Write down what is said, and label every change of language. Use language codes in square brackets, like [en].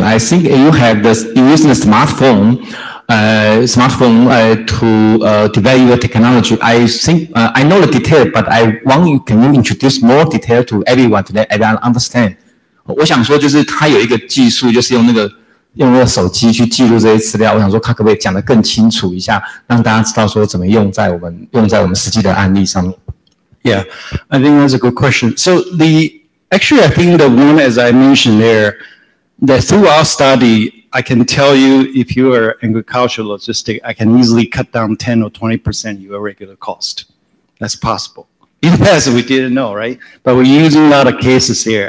[en] I think you have this using a smartphone to develop your technology. I think I know the detail, but I want you, can you introduce more detail to everyone to let everyone understand? [zh] 我想说就是它有一个技术，就是用那个手机去记录这些资料。我想说它可不可以讲得更清楚一下，让大家知道说怎么用在我们实际的案例上面。 [en] Yeah, I think that's a good question. So I think the one, as I mentioned there, that through our study, I can tell you if you are agricultural logistic, I can easily cut down 10 or 20% your regular cost. That's possible. In the past, we didn't know, right? But we're using a lot of cases here.